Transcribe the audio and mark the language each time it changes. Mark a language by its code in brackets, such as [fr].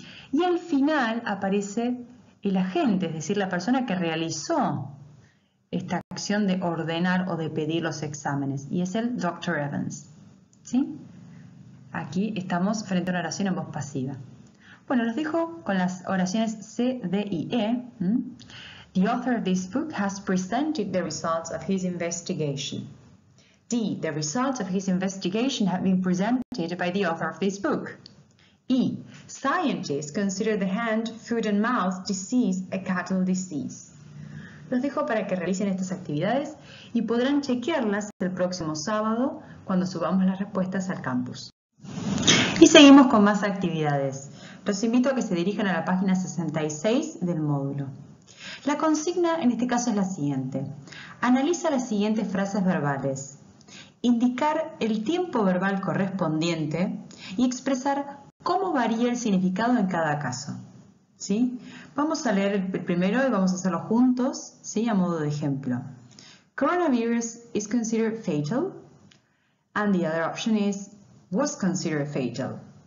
[es] Y al final aparece el agente, es decir, la persona que realizó esta acción de ordenar o de pedir los exámenes. Y es el Dr. Evans. ¿Sí? Aquí estamos frente a una oración en voz pasiva. Bueno, los dejo con las oraciones C, D y E. [en] The author of this book has presented the results of his investigation. D. The results of his investigation have been presented by the author of this book. E. Scientists consider the hand, foot and mouth disease a cattle disease. [es] Los dejo para que realicen estas actividades y podrán chequearlas el próximo sábado cuando subamos las respuestas al campus. Y seguimos con más actividades. Los invito a que se dirijan a la página 66 del módulo. La consigna en este caso es la siguiente. Analiza las siguientes frases verbales. Indicar el tiempo verbal correspondiente y expresar cómo varía el significado en cada caso. ¿Sí? Vamos a leer el primero y vamos a hacerlo juntos, ¿sí? A modo de ejemplo. [en] Coronavirus is considered fatal and the other option is was considered fatal.